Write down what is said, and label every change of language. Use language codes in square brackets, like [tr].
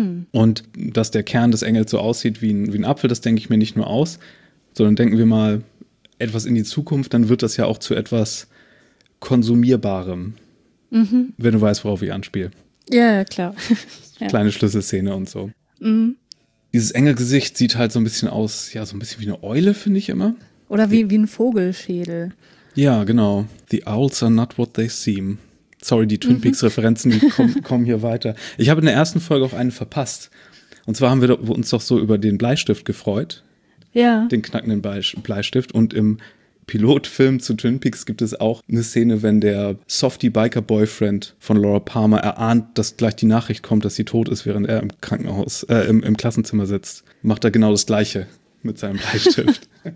[de] Und dass der Kern des Engels so aussieht wie ein Apfel, das denke ich mir nicht nur aus, sondern denken wir mal etwas in die Zukunft, dann wird das ja auch zu etwas Konsumierbarem, wenn du weißt, worauf ich anspiele. Ja, klar. Kleine Schlüsselszene und so. Dieses Engelgesicht sieht halt so ein bisschen aus, ja, so ein bisschen wie eine Eule, finde ich immer. Oder wie ein Vogelschädel. Ja, genau. [en] The owls are not what they seem. [de] Sorry, die Twin Peaks-Referenzen, die kommen hier weiter. Ich habe in der ersten Folge auch einen verpasst. Und zwar haben wir uns doch so über den Bleistift gefreut. Ja. Den knackenden Bleistift. Und im Pilotfilm zu Twin Peaks gibt es auch eine Szene, wenn der Softie-Biker-Boyfriend von Laura Palmer erahnt, dass gleich die Nachricht kommt, dass sie tot ist, während er im Krankenhaus, im Klassenzimmer sitzt. Macht er genau das Gleiche mit seinem Bleistift.